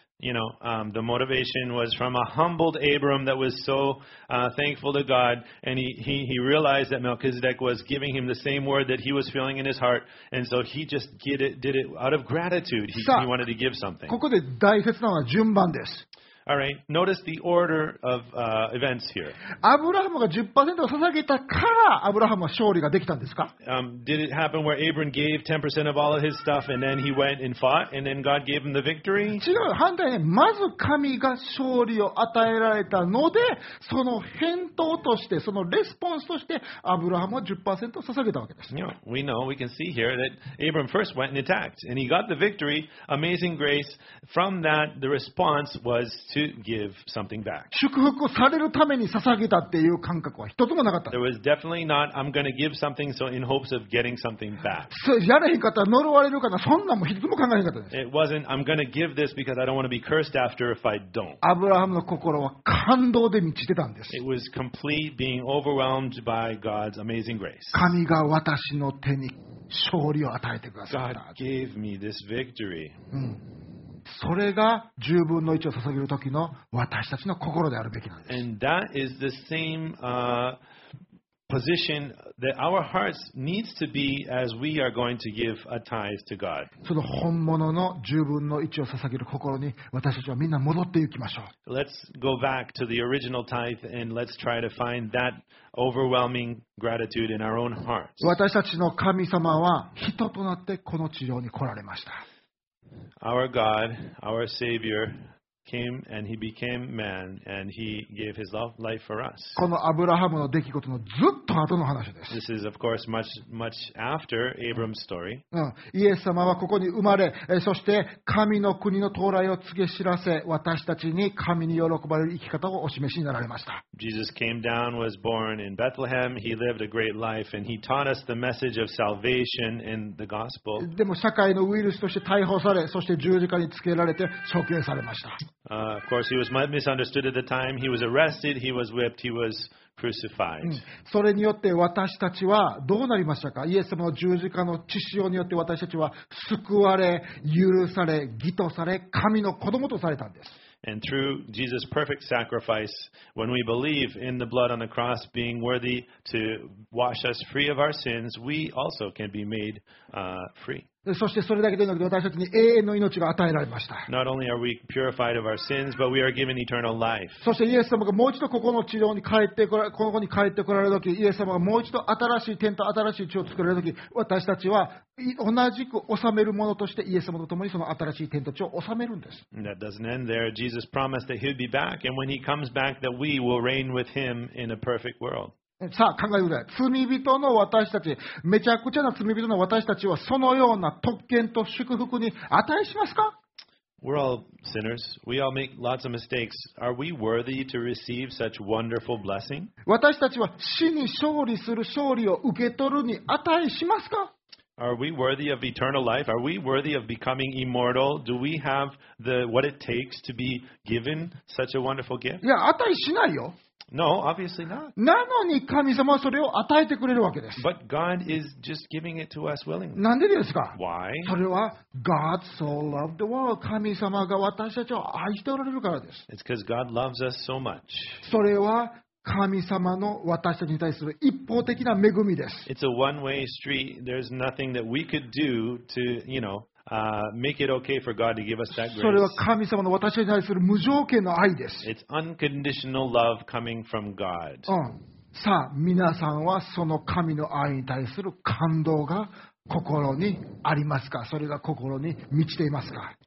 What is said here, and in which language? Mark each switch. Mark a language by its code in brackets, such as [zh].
[en] You know, the motivation was from a humbled Abram that was so thankful to God, and he realized that Melchizedek was giving him the same word that he was feeling in his heart, and so he just did it out of gratitude. He wanted to give something. [ja] ここで大切なのは順番です。 [en] All right, notice the order of events here. [ja] Abraham が 10% を捧げたから、Abraham は勝利ができたんですか? [en] Did it happen where Abram gave 10% of all of his stuff and then he went and fought and then God gave him the victory? [ja] 違う、反対に、まず神が勝利を与えられたので、その返答として、そのレスポンスとして、Abraham は 10% を捧げたわけです。 [en] You know, we know, we can see here that Abram first went and attacked and he got the victory. Amazing grace. From that, the response was. To give something back. [ja] 祝福をされるために捧げたっていう感覚は一つもなかった。 [en] There was definitely not. I'm going to give something so in hopes of getting something back. [ja] やれへんかったら呪われるかな。そんなも一つも考えへんかったです。 [en] It wasn't. I'm going to give this because I don't want to be cursed after if I don't. [ja] アブラハムの心は感動で満ちてたんです。 [en] It was complete being overwhelmed by God's amazing grace. [ja] 神が私の手に勝利を与えてくださった。 [en] God gave me this victory. [ja] それが十分の一を捧げる時の私たちの心であるべきなんです。 [en] And that is the same, position that our hearts needs to be as we are going to give a tithe to God. [ja] その本物の十分の一を捧げる心に私たちはみんな戻っていきましょう。 [en] Let's go back to the original tithe and let's try to find that overwhelming gratitude in our own hearts. [ja] 私たちの神様は人となってこの地上に来られました。 [en] Our God, our Savior, came and He became man and He gave His life for us. [ja] このアブラハムの出来事のずっと後の話です。 [en] This is of course much, much after Abram's story. [ja] イエス様はここに生まれ、そして神の国の到来を告げ知らせ、私たちに神に喜ばれる生き方をお示しになられました。 [en] Jesus came down, was born in Bethlehem. He lived a great life and He taught us the message of salvation in the gospel. [ja] でも社会のウイルスとして逮捕され、そして十字架につけられて処刑されました。 [en] Of course, he was misunderstood at the time. He was arrested. He was whipped. He was crucified. [ja] それによって私たちはどうなりましたか？イエス様の十字架の血潮によって私たちは救われ、許され、義とされ、神の子供とされたんです。 [en] And through Jesus' perfect sacrifice, when we believe in the blood on the cross being worthy to wash us free of our sins, we also can be made free. [ja] そしてそれだけでなくて私たちに永遠の命が与えられました。 [en] Not only are we purified of our sins, but we are given eternal life. [ja] そしてイエス様がもう一度ここの地上に帰ってこられ、この子に帰ってこられる時、イエス様がもう一度新しい天と新しい地を作られる時、私たちは同じく治めるものとしてイエス様と共にその新しい天と地を治めるんです。 [en] And that doesn't end there. Jesus promised that he'd be back, and when he comes back, that we will reign with him in a perfect world. [ja] さあ考えてください。罪人の私たち、めちゃくちゃな罪人の私たちはそのような特権と祝福に値しますか？ [en] We're all sinners. We all make lots of mistakes. Are we worthy to receive such wonderful blessing? [ja] 私たちは死に勝利する勝利を受け取るに値しますか？ [en] Are we worthy of eternal life? Are we worthy of becoming immortal? Do we have the what it takes to be given such a wonderful gift? [ja] いや、値しないよ。 [en] No, obviously not. [ja] なのに神様はそれを与えてくれるわけです。 [en] But God is just giving it to us willingly. [ja] なんでですか？ [en] Why? [ja] それは [en] God so loved the world. [ja] 神様が私たちを愛しておられるからです。 [en] It's because God loves us so much. [ja] それは神様の私たちに対する一方的な恵みです。 [en] It's a one-way street. There's nothing that we could do to, you know,make it okay for God to give us that grace. [ja] それは神様の私に対する無条件の愛です。 [en] It's unconditional love coming from God. [ja] さあ、皆さんはその神の愛に対する感動が心にありますか？それが心に満ちていますか？